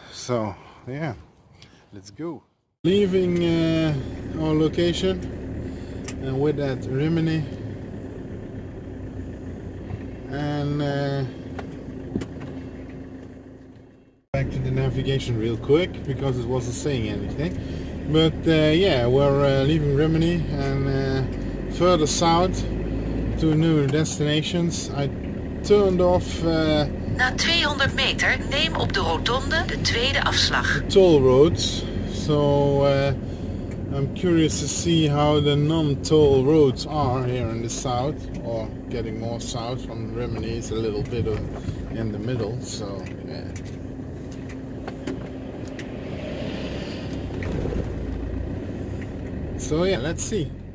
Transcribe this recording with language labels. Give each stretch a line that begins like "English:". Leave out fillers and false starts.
English: So yeah, let's go. Leaving our location, and with that Rimini, and to the navigation real quick because it wasn't saying anything, but yeah, we're leaving Rimini and further south to new destinations. I turned off
Dutch: na 200 meter neem op de rotonde de tweede afslag,
English: toll roads. So I'm curious to see how the non-toll roads are here in the south, or getting more south from Rimini. Is a little bit of in the middle, so yeah. So yeah, let's see.